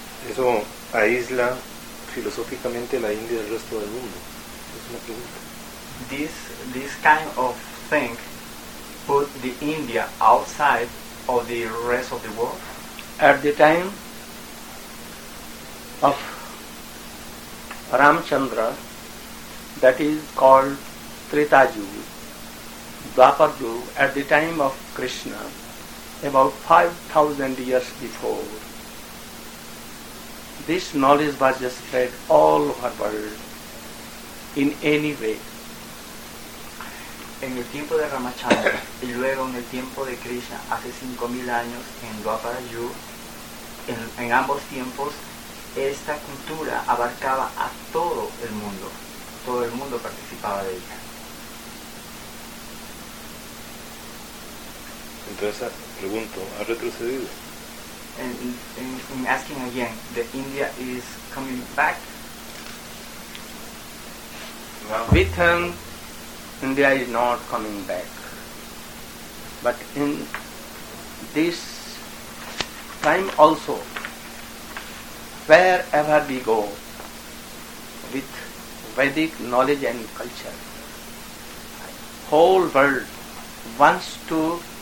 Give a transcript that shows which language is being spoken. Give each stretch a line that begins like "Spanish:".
Spanish: ¿Eso aísla filosóficamente la India del resto del mundo? Es una pregunta.
English: This kind of thing put the India outside of the rest of the world? At the time of Ramachandra, that is called Treta Yuga, Dwapar Yuga, at the time of Krishna, about 5,000 years before, this knowledge was just spread all over the world in any way.
Spanish: En el tiempo de Ramachandra y luego en el tiempo de Krishna, hace 5,000 años en Dwapara Yuga, en ambos tiempos, esta cultura abarcaba a todo el mundo. Todo el mundo participaba de ella. Entonces, pregunto, ¿ha retrocedido?
English: And I'm asking again, the India is coming back? Well, we think India is not coming back. But in this time also, wherever we go with Vedic knowledge and culture, whole world wants to